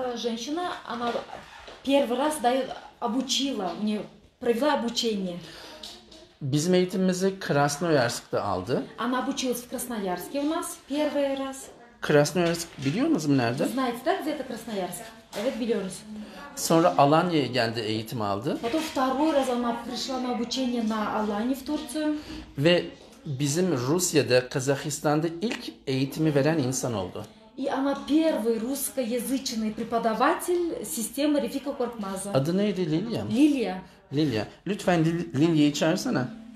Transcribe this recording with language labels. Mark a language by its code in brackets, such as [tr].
[ru] женщина, она первый раз дает, обучила, у нее провела обучение. [tr] Bizim eğitimimizi Krasnoyarsk'ta aldı. [ru] Она обучилась в Красноярске у нас первый раз. [tr] Krasnoyarsk biliyor musunuz nerede? [ru] Знаете, да, где это Красноярск? [tr] Evet, biliyoruz. Sonra Alanya'ya geldi, eğitim aldı. [ru] Потом второй раз она пришла на обучение на Алане в Турцию. [tr] Ve bizim Rusya'da, Kazakistan'da ilk eğitimi veren insan oldu. [ru] И она первый русскоязычный преподаватель системы Рефика Коркмаза. [tr] Adı neydi, Lilia? Lilia. Lilia. Lütfen Lilia'yı çağırsana.